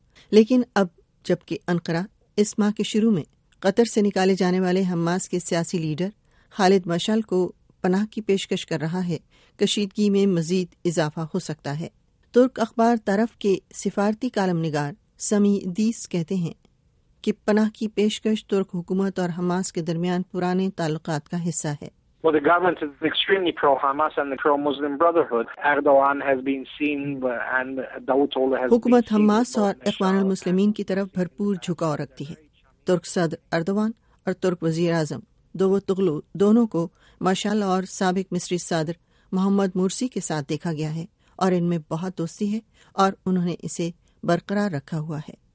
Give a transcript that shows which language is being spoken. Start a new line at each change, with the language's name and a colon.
Urdu: لیکن اب جبکہ انقرہ اس ماہ کے شروع میں قطر سے نکالے جانے والے حماس کے سیاسی لیڈر خالد مشعل کو پناہ کی پیشکش کر رہا ہے، کشیدگی میں مزید اضافہ ہو سکتا ہے. ترک اخبار طرف کے سفارتی کالم نگار سمی دیس کہتے ہیں کہ پناہ کی پیشکش ترک حکومت اور حماس کے درمیان پرانے تعلقات کا حصہ ہے.
English: Well, the government is extremely pro-Hamas and the pro-Muslim Brotherhood. Erdogan has been seen and Davutoglu has
Urdu: حکومت حماس اور اخوان المسلمین کی طرف بھرپور جھکاؤ رکھتی ہے. ترک صدر اردوان اور ترک وزیر اعظم داوتوغلو دونوں کو مشعل اور سابق مصری صدر محمد مرسی کے ساتھ دیکھا گیا ہے اور ان میں بہت دوستی ہے اور انہوں نے اسے برقرار رکھا ہوا ہے.